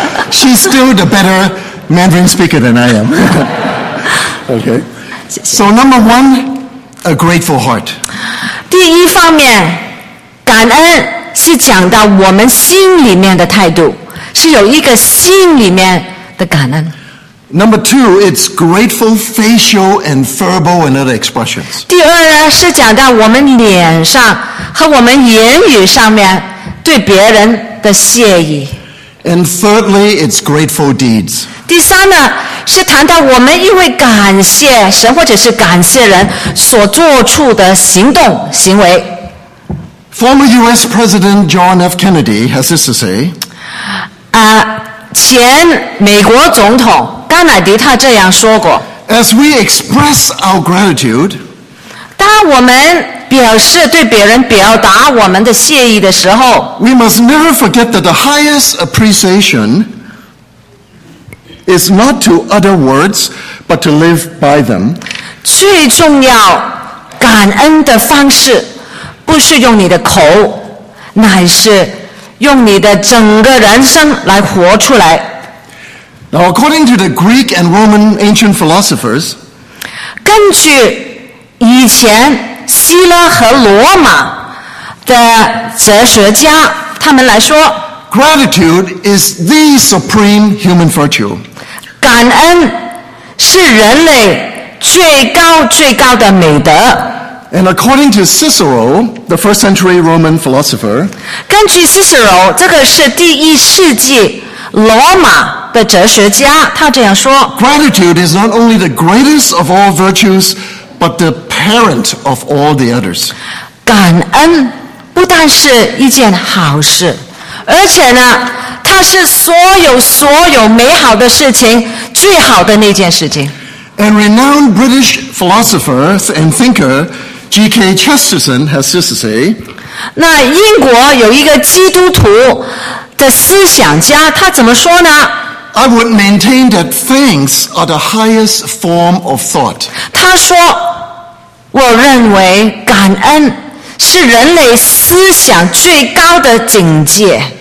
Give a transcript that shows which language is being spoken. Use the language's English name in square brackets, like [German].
[English] She's still the better Mandarin speaker than I am OK [Chinese] 谢谢 [English] So number one A grateful heart [Chinese] 第一方面感恩是讲到我们心里面的态度是有一个心里面的感恩。 [English] Number two, it's grateful facial and verbal and other expressions. [Chinese] 第二呢，是讲到我们脸上和我们言语上面对别人的谢意。 [English] And thirdly, it's grateful deeds. [Chinese] 第三呢，是谈到我们因为感谢神或者是感谢人所做出的行动行为。 [English] Former US President John F. Kennedy has this to say. [Chinese] 前美国总统甘乃迪他这样说过 [English] As we express our gratitude [Chinese] 当我们表示对别人表达我们的谢意的时候 [English] We must never forget that the highest appreciation is not to utter words but to live by them [Chinese] 最重要感恩的方式不是用你的口乃是用你的整个人生来活出来 [English] Now according to the Greek and Roman ancient philosophers [Chinese] 根据以前希腊和罗马的哲学家他们来说 [English] Gratitude is the supreme human virtue [Chinese] 感恩是人类最高最高的美德 [English] And according to Cicero, the first century Roman philosopher, [Chinese] 根据 Cicero, 这个是第一世纪罗马的哲学家，他这样说 [English] Gratitude is not only the greatest of all virtues, but the parent of all the others. [Chinese] 感恩不但是一件好事，而且呢，它是所有所有美好的事情最好的那件事情。 [English] And renowned British philosopher and thinker,G.K. Chesterton has this to say. [Chinese] 那英国有一个基督徒的思想家，他怎么说呢？ [English] I would maintain that thanks are the highest form of thought. [Chinese] 他说，我认为感恩是人类思想最高的境界。